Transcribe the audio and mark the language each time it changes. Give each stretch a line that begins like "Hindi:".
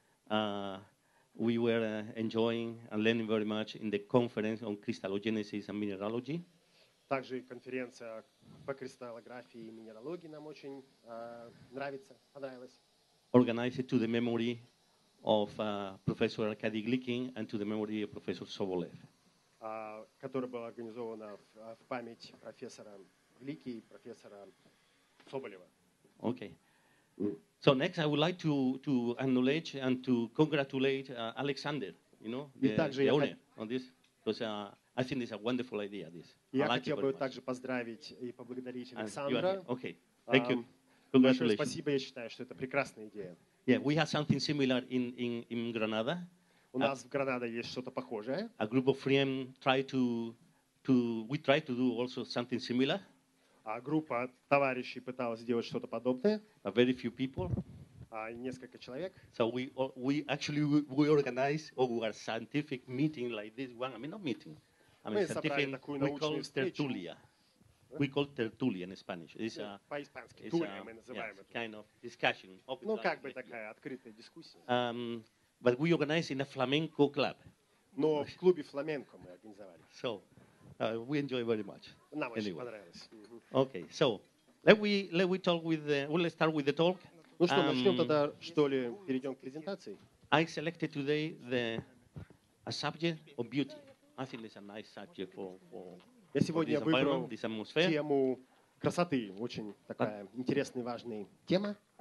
English: And also, we were enjoying and learning very much in the conference on crystallogenesis and mineralogy.
Russian: Также конференция по кристаллографии и минералогии нам очень нравится, понравилась.
English: Organized to the memory of Professor Arkady Glikin and to the memory of Professor Sobolev.
Russian: Которая была организована в память профессора Глики и профессора Соболева.
English: Okay. So next I would like to acknowledge and to congratulate Alexander, you know, the owner on this. Because I think this is a wonderful idea, this.
Russian: Я хотел бы также поздравить и поблагодарить Александра.
English: Okay, thank you. Congratulations.
Russian: Большое спасибо, я считаю, что это прекрасная идея.
English: Yeah, we have something similar in Granada.
Russian: У нас в Гранаде есть что-то похожее.
English: A group of FREEM tried to do also something similar.
Russian: А группа товарищей пыталась сделать что-то подобное.
English: A very few people.
Russian: А несколько человек.
English: So we organize our scientific meeting like this one. I mean, not meeting. I mean,
Russian: мы собрали такую научную встречу.
English: We call tertulia. Yeah? We call tertulia in Spanish. It's a,
Russian: по-испански, тулия мы называем это.
English: Kind of discussion.
Russian: Ну, как бы такая открытая дискуссия.
English: But we organize in a flamenco club.
Russian: Но в клубе фламенко мы организовали.
English: So, we enjoy very much.
Russian: Нам очень
English: anyway.
Russian: Понравилось. Mm-hmm.
English: Okay, so let we talk with the, well, let's start with the talk.
Russian: Ну что, начнем тогда, что ли, перейдем к презентации?
English: I selected today a subject of beauty. I think it's a nice subject for
Russian: я сегодня
English: for this
Russian: выбрал
English: this atmosphere.
Russian: Тему красоты, очень такая интересная, важная тема.